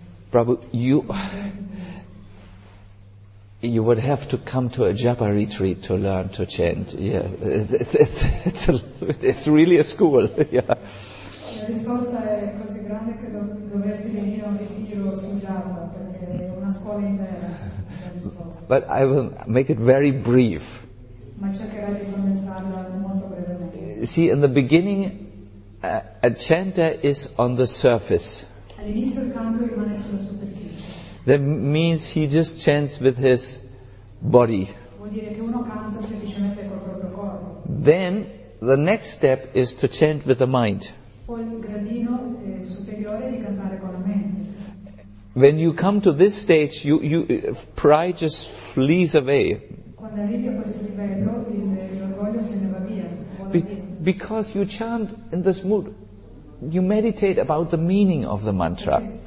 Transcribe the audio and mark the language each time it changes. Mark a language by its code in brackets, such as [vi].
[en] Prabhu, you would have to come to a japa retreat to learn to chant. Yeah, it's really a school. [it] La risposta è così grande che dovresti venire a un ritiro su Java, perché è una scuola intera. [en] But I will make it very brief. [it] Ma cercherò di condensarla molto brevemente. [en] See, in the beginning, a chanter is on the surface. [it] All'inizio il canto rimane sulla superficie. [en] That means he just chants with his body. [it] Vuol dire che uno canta semplicemente col proprio corpo. [en] Then the next step is to chant with the mind. [it] Poi il gradino superiore di cantare con la mente. [en] When you come to this stage, you pride just flees away. [it] Quando arrivi a questo livello, l'orgoglio se ne va via. [en] Because you chant in this mood. You meditate about the meaning of the mantra.